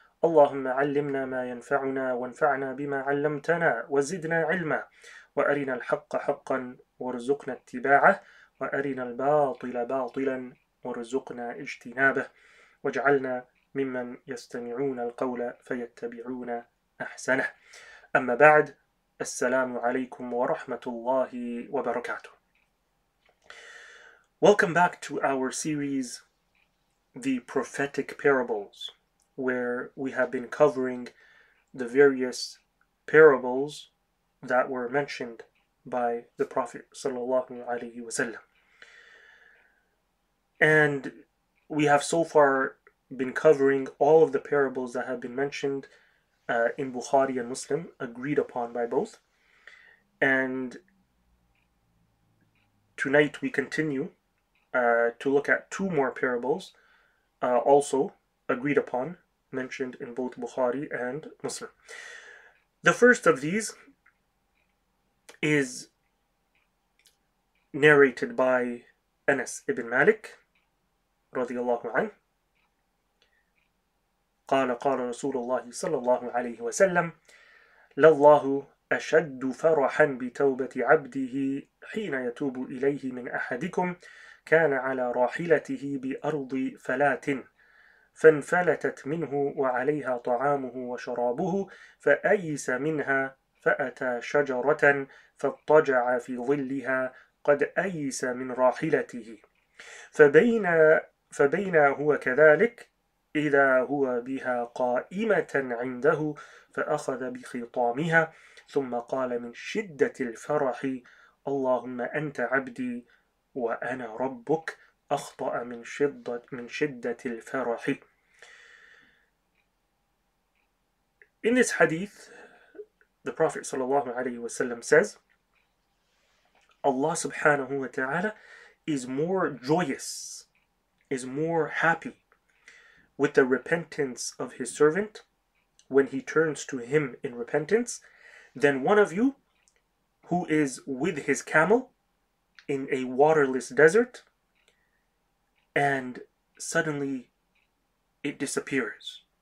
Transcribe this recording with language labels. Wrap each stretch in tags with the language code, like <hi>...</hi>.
<ar>اللهم علمنا ما ينفعنا، وانفعنا بما علمتنا، وزدنا علما، وأرنا الحق حقا وارزقنا اتباعه، وأرنا الباطل باطلا وارزقنا اجتنابه، واجعلنا ممن يستمعون القول فيتبعون أحسنه. أما بعد، السلام عليكم ورحمة الله وبركاته.</ar> <en>Welcome back to our series, The Prophetic Parables, where we have been covering the various parables that were mentioned by the Prophet sallallahu alaihi wasallam. And we have so far been covering all of the parables that have been mentioned in Bukhari and Muslim, agreed upon by both. And tonight we continue to look at two more parables, also agreed upon, mentioned in both Bukhari and Muslim. The first of these is narrated by Anas ibn Malik radiallahu anhu.</en> <ar>قال قال رسول الله صلى الله عليه وسلم لله أشد فرحا بتوبة عبده حين يتوب إليه من أحدكم كان على راحلته بأرض فلات فانفلتت منه وعليها طعامه وشرابه فأيس منها فأتى شجرة فاضطجع في ظلها قد أيس من راحلته فبينا هو كذلك إذا هو بها قائمة عنده فأخذ بخطامها ثم قال من شدة الفرح اللهم أنت عبدي وأنا ربك أخطأ من شدة الفرح.</ar> <en>In this hadith, the Prophet sallallahu alaihi wasallam says, Allah subhanahu wa ta'ala is more joyous, is more happy with the repentance of his servant when he turns to him in repentance than one of you who is with his camel in a waterless desert and suddenly it disappears.</en>